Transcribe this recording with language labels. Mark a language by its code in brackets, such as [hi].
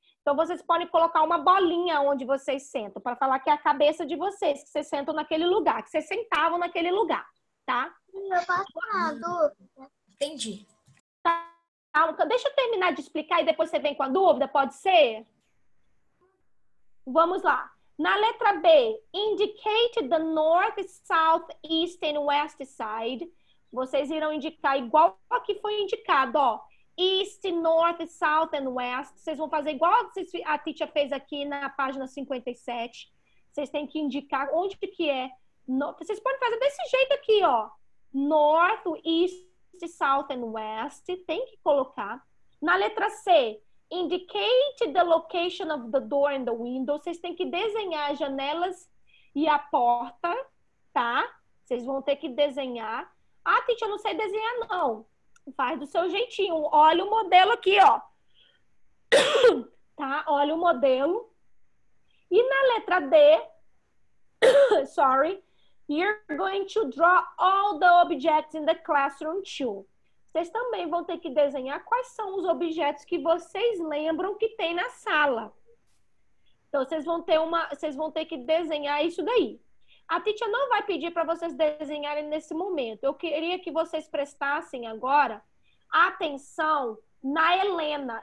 [pt] Então, vocês podem colocar uma bolinha onde vocês sentam, para falar que é a cabeça de vocês, que vocês sentam naquele lugar, que vocês sentavam naquele lugar, tá? Entendi. Tá. Deixa eu terminar de explicar e depois você vem com a dúvida, pode ser? Vamos lá. Na letra B, [en] indicate the north, south, east and west side. [pt] Vocês irão indicar igual ao que foi indicado, ó. [en] East, north, south and west. [pt] Vocês vão fazer igual a Titia fez aqui na página 57. Vocês têm que indicar onde que é. Vocês podem fazer desse jeito aqui, ó. [en] North, east. South and West, [pt] tem que colocar. Na letra C, [en] indicate the location of the door and the window. [pt] Vocês têm que desenhar as janelas e a porta, tá? Vocês vão ter que desenhar. Ah, Titi, eu não sei desenhar, não. Faz do seu jeitinho. Olha o modelo aqui, ó. Tá? Olha o modelo. E na letra D, [en] sorry, you're going to draw all the objects in the classroom too. [pt] Vocês também vão ter que desenhar quais são os objetos que vocês lembram que tem na sala. Então, vocês vão ter que desenhar isso daí. A Titia não vai pedir para vocês desenharem nesse momento. Eu queria que vocês prestassem agora atenção na Helena.